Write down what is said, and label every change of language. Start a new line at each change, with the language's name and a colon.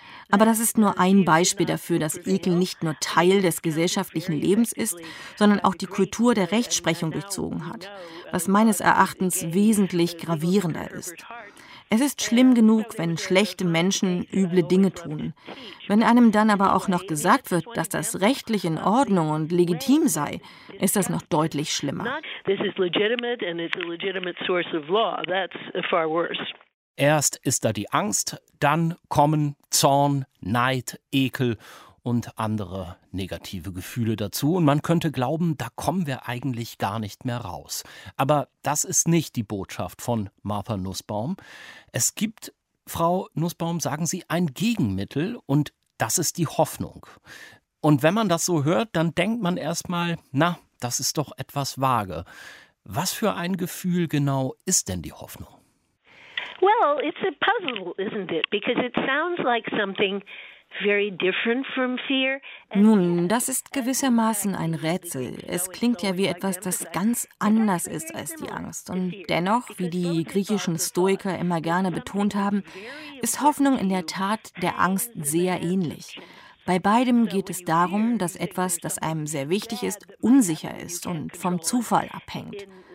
German: Aber das ist nur ein Beispiel dafür, dass Ekel nicht nur Teil des gesellschaftlichen Lebens ist, sondern auch die Kultur der Rechtsprechung durchzogen hat, was meines Erachtens wesentlich gravierender ist. Es ist schlimm genug, wenn schlechte Menschen üble Dinge tun. Wenn einem dann aber auch noch gesagt wird, dass das rechtlich in Ordnung und legitim sei, ist das noch deutlich schlimmer.
English: This is legitimate and it's a legitimate source of law. That's far worse.
German: Erst ist da die Angst, dann kommen Zorn, Neid, Ekel und andere negative Gefühle dazu. Und man könnte glauben, da kommen wir eigentlich gar nicht mehr raus. Aber das ist nicht die Botschaft von Martha Nussbaum. Es gibt, Frau Nussbaum, sagen Sie, ein Gegenmittel und das ist die Hoffnung. Und wenn man das so hört, dann denkt man erstmal, na, das ist doch etwas vage. Was für ein Gefühl genau ist denn die Hoffnung?
English: Well, it's a puzzle, isn't it? Because it sounds like something very different from fear.
German: Nun, das ist gewissermaßen ein Rätsel. Es klingt ja wie etwas, das ganz anders ist als die Angst. Und dennoch, wie die griechischen Stoiker immer gerne betont haben, ist Hoffnung in der Tat der Angst sehr ähnlich. Bei beidem geht es darum, dass etwas, das einem sehr wichtig ist, unsicher ist und vom Zufall abhängt.